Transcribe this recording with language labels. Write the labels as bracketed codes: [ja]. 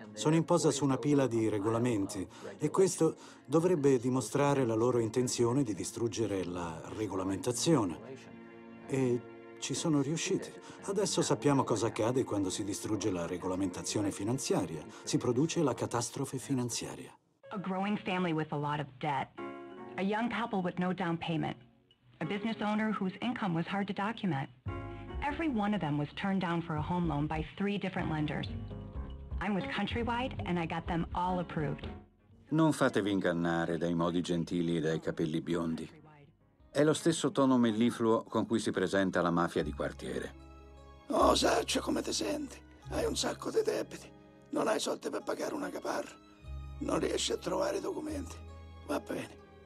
[it] Sono in posa su una pila di regolamenti e questo dovrebbe dimostrare la loro intenzione di distruggere la regolamentazione. E ci sono riusciti. Adesso sappiamo cosa accade quando si distrugge la regolamentazione finanziaria. Si produce la catastrofe finanziaria. [en] A growing family with a lot of debt. A young couple with no down payment. A business owner whose income was hard to document. Every one of them was turned down for a home loan by three different lenders. I'm with Countrywide and I got them all approved. [it] Non fatevi ingannare dai modi gentili e dai capelli biondi. È lo stesso tono mellifluo con cui si presenta la mafia di quartiere. Oh, saccio, come ti senti? Hai un sacco di debiti. Non hai soldi per pagare una caparra. Non riesci a trovare i documenti. Va bene.